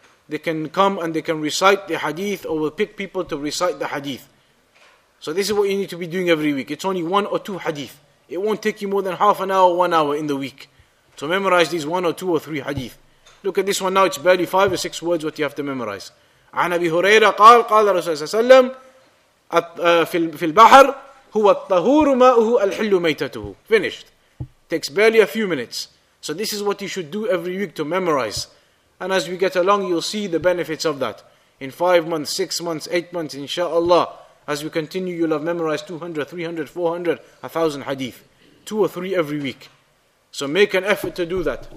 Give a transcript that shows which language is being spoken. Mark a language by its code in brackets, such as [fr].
[en] They can come and they can recite the hadith, or we'll pick people to recite the hadith. So this is what you need to be doing every week. It's only one or two hadith. It won't take you more than half an hour, 1 hour in the week. So memorize these one or two or three hadith. Look at this one now, it's barely five or six words what you have to memorize. [ar] عن أبي هريرة قال قال رسول الله صلى الله عليه وسلم في البحر هو الطهور ماءه الحل ميتته. [en] Finished. Takes barely a few minutes. So this is what you should do every week to memorize. And as we get along, you'll see the benefits of that. In 5 months, 6 months, 8 months, inshallah, as we continue, you'll have memorized 200, 300, 400, 1,000 hadith. Two or three every week. So make an effort to do that.